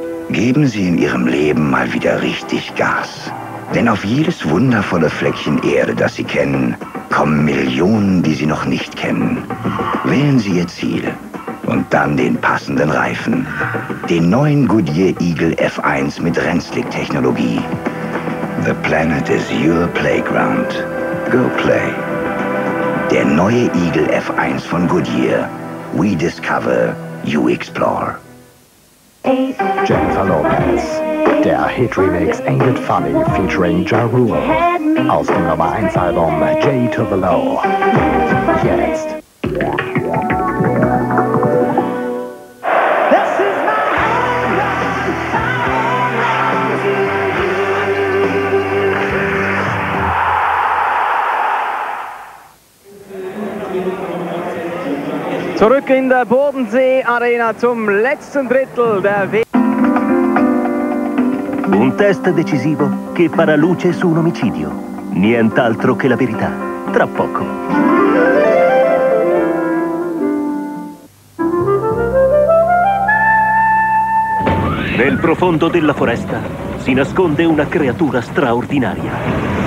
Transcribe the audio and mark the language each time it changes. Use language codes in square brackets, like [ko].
[de] Geben Sie in Ihrem Leben mal wieder richtig Gas. Denn auf jedes wundervolle Fleckchen Erde, das Sie kennen, kommen Millionen, die Sie noch nicht kennen. Wählen Sie Ihr Ziel und dann den passenden Reifen. Den neuen Goodyear Eagle F1 mit Rennslick-Technologie. [en] The planet is your playground. Go play. [de] Der neue Eagle F1 von Goodyear. [en] We discover, you explore. [de] Jennifer Lopez. Der Hit-Remix Ain't It Funny featuring Ja Rule. Aus dem Nummer 1 Album J to the Low. Jetzt. Zurück in der Bodensee-Arena zum letzten Drittel der [it] Un test decisivo che farà luce su un omicidio. Nient'altro che la verità. Tra poco. Nel profondo della foresta si nasconde una creatura straordinaria.